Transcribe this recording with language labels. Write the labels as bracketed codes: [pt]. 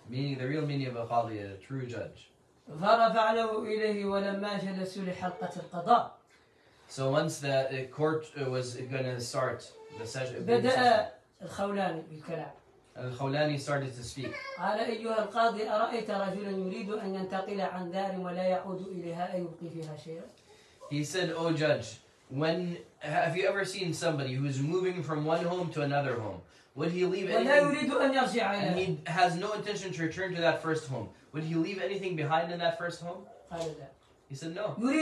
[en] Meaning the real meaning of a قاضي, a true judge. [ar] فرفع له إليه ولما جلسوا لحلقة القضاء. [en] So once the court was going to start the session. [ar] بدأ الخولاني بالكلام. [en] الخولاني started to speak. [ar] قال أيها القاضي أرأيت رجلا يريد أن ينتقل عن دار ولا يعود إليها أي يبقي فيها شيئا. [en] He said, O judge, have you ever seen somebody who is moving from one home to another home? Would he leave anything? And he has no intention to return to that first home. Would he leave anything behind in that first home? He said no.